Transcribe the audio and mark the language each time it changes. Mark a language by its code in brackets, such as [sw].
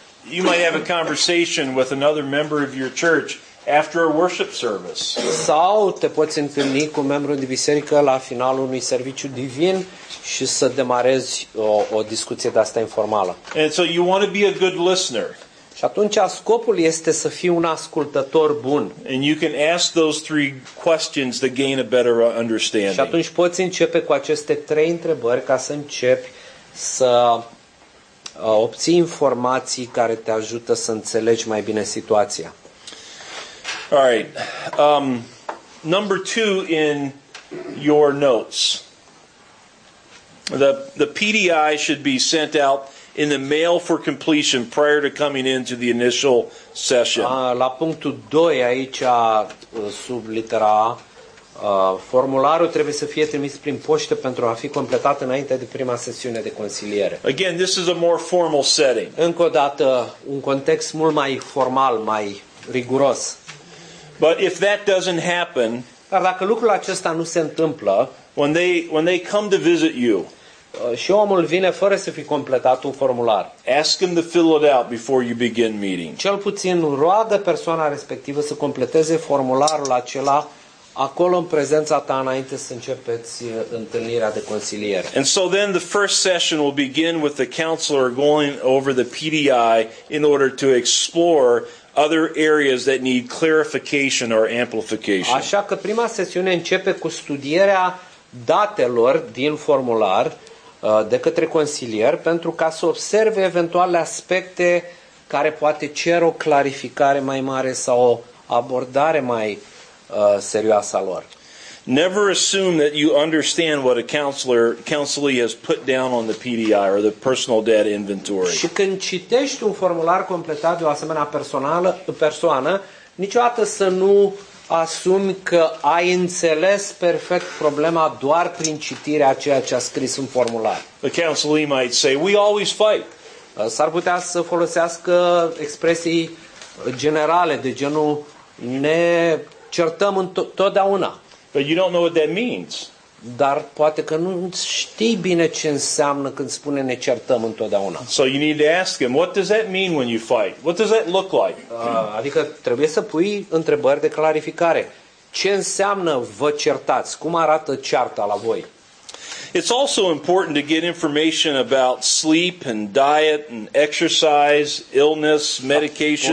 [en] You might have a conversation with another member of your church after a worship service. [ro] Sau te poți întâlni cu un membru de biserică la finalul unui serviciu divin și să demarezi o discuție de asta informală. [en] And so you want to be a good listener. [ro] Și atunci scopul este să fii un ascultător bun. [en] And you can ask those three questions to gain a better understanding. [ro] Și atunci poți începe cu aceste trei întrebări ca să începi să obții informații care te ajută să înțelegi mai bine situația. [en] All right. Number two in your notes. The PDI should be sent out in the mail for completion prior to coming into the initial session. [ro] La punctul 2 aici sub litera A, formularul trebuie să fie trimis prin poștă pentru a fi completat înainte de prima sesiune de consiliere. [en] Again, this is a more formal setting. [ro] Încă o dată un context mult mai formal, mai riguros. [en] But if that doesn't happen, [ro] dar dacă lucrul acesta nu se întâmplă, [en] when they come to visit you, [ro] și omul vine fără să fi completat un formular. [en] Ask him to fill it out before you begin meeting. [ro] Cel puțin roagă persoana respectivă să completeze formularul acela acolo în prezența ta înainte să începeți întâlnirea de consiliere. [en] And so then the first session will begin with the counselor going over the PDI in order to explore other areas that need clarification or amplification. [ro] Așa că prima sesiune începe cu studierea datelor din formular de către consilier pentru ca să observe eventuale aspecte care poate cer o clarificare mai mare sau o abordare mai serioasă a lor. [en] Never assume that you understand what a counselee has put down on the PDI or the personal data inventory. [ro] Și când citești un formular completat de o asemenea persoană, niciodată să nu asumi că ai înțeles perfect problema doar prin citirea ceea ce a scris în formular. [en] The counselee might say, "We always fight." [ro] S-ar putea să folosească expresii generale de genul ne certăm întotdeauna. [en] But you don't know what that means. [ro] Dar poate că nu știi bine ce înseamnă când spune ne certăm întotdeauna. [en] So you need to ask him, what does that mean when you fight? What does that look like? [ro] Adică trebuie să pui întrebări de clarificare. Ce înseamnă vă certați? Cum arată cearta la voi? [en] It's also important to get information about sleep and diet and exercise, illness, medication.